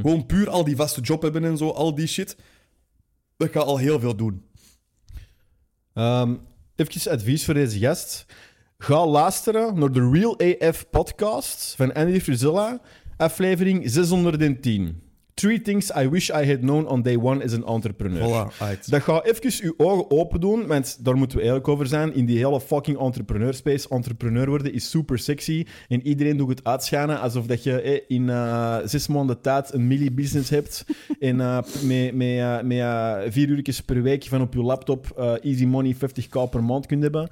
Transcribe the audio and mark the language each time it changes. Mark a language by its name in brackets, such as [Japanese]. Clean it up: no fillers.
[Dutch] Gewoon puur al die vaste job hebben en zo, al die shit, dat gaat al heel veel doen. Even advies voor deze gast. Ga luisteren naar de Real AF podcast van Andy Frizzella, aflevering 610. [English] 3 things I wish I had known on day one as an entrepreneur. [Dutch] Voilà, dat ga even uw ogen open doen, want daar moeten we eerlijk over zijn. In die hele fucking [English] entrepreneur space, [Dutch] entrepreneur worden is super sexy. En iedereen doet het uitschijnen alsof dat je in 6 maanden tijd een milli business hebt. En met 4 uurtjes per week van op je laptop [English] easy money [Dutch] 50.000 per maand kunt hebben.